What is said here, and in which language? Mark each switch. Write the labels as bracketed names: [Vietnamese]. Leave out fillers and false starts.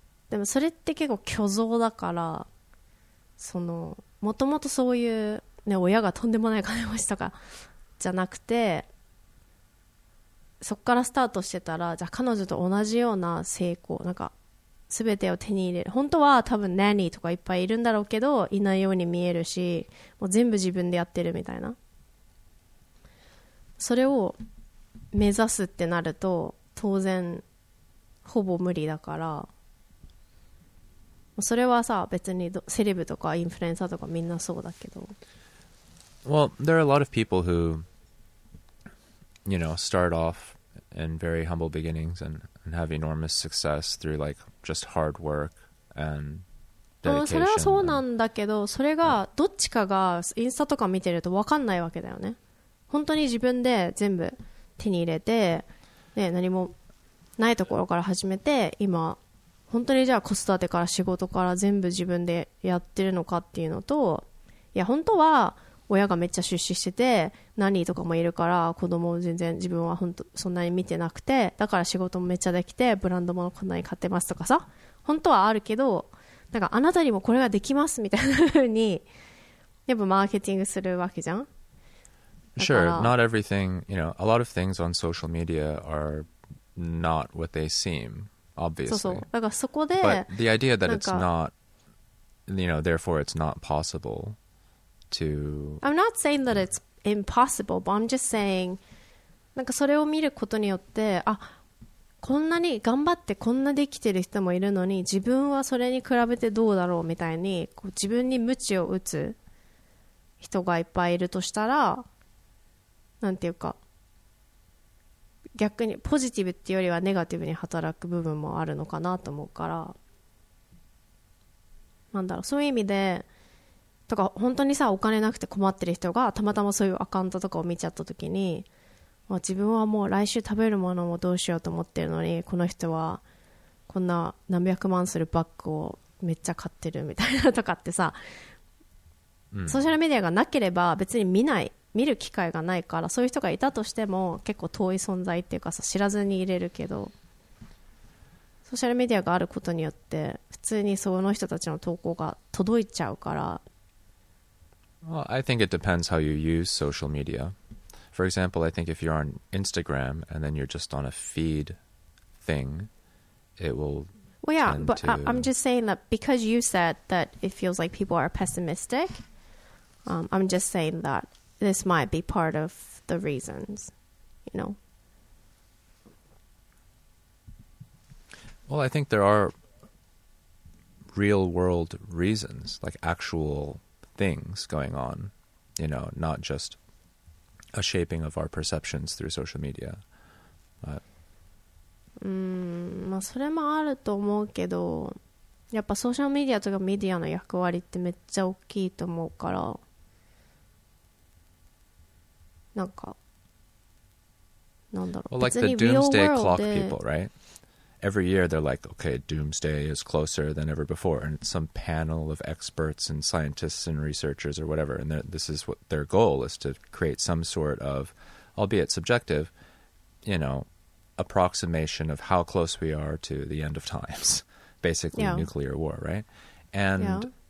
[Japanese] でもそれって結構虚像だから、そのもともとそういう、ね、親がとんでもない金持ちとかじゃなくて、そこからスタートしてたら、じゃあ彼女と同じような成功、なんか全てを手に入れる、本当は多分ナニーとかいっぱいいるんだろうけど、いないように見えるし、もう全部自分でやってるみたいな、それを目指すってなると当然ほぼ無理だから、それはさ別にセレブとかインフルエンサーとかみんなそうだけど、 [English] Well, there are a lot of people who, you know, start off in very humble beginnings and have enormous success through like just hard work and dedication. [Japanese] それはそうなんだけど、それがどっちかがインスタとか見てると分かんないわけだよね。本当に自分で全部手に入れて、ね、何もないところから始めて今本当にじゃあ子育てから仕事から全部自分でやってるのかっていうのと、いや本当は親がめっちゃ出資してて何とかもいるから子供を全然自分は本当そんなに見てなくて、だから仕事もめっちゃできてブランドものこんなに買ってますとかさ、本当はあるけど、なんかあなたにもこれができますみたいな風にやっぱマーケティングするわけじゃん。 [English] Sure, not everything, you know, a lot of things on social media are not what they seemobviously. [Japanese] そうそう。だからそこで、 [English] But the idea that it's not, you know, therefore it's not possible to... I'm not saying that it's impossible, but I'm just saying, [Japanese] なんかそれを見ることによって、あ、こんなに頑張ってこんなできてる人もいるのに、自分はそれに比べてどうだろうみたいに、こう自分に鞭を打つ人がいっぱいいるとしたら、なんていうか、逆にポジティブっていうよりはネガティブに働く部分もあるのかなと思うから、なんだろう、そういう意味でとか、本当にさお金なくて困ってる人がたまたまそういうアカウントとかを見ちゃった時に、まあ、自分はもう来週食べるものもどうしようと思ってるのに、この人はこんな何百万するバッグをめっちゃ買ってるみたいなとかってさ、ソーシャルメディアがなければ別に見ない、見る機会がないから、そういう人がいたとしても結構遠い存在っていうかさ、知らずにいれるけど、ソーシャルメディアがあることによって普通にその人たちの投稿が届いちゃうから。 [English] Well, I think it depends how you use social media. For example, I think if you're on Instagram and then you're just on a feed thing, it will Well, yeah, but to... I'm just saying that because you said that it feels like people are pessimistic, I'm just saying that this might be part of the reasons, you know. Well, I think there are real world reasons, like actual things going on, you know, not just a shaping of our perceptions through social media. But [Japanese] まあそれもあると思うけど、やっぱソーシャルメディアとかメディアの役割ってめっちゃ大きいと思うから、なんかなんだろう、 [English] well, like、 [Japanese] 別に [English] Doomsday Clock people, right? Every year they're like, okay, Doomsday is closer than ever before, and it's some panel of experts and scientists and researchers or whatever, and this is what their goal is, to create some sort of, albeit subjective, you know, approximation of how close we are to the end of times. Basically, yeah. Nuclear war, right? And yeah.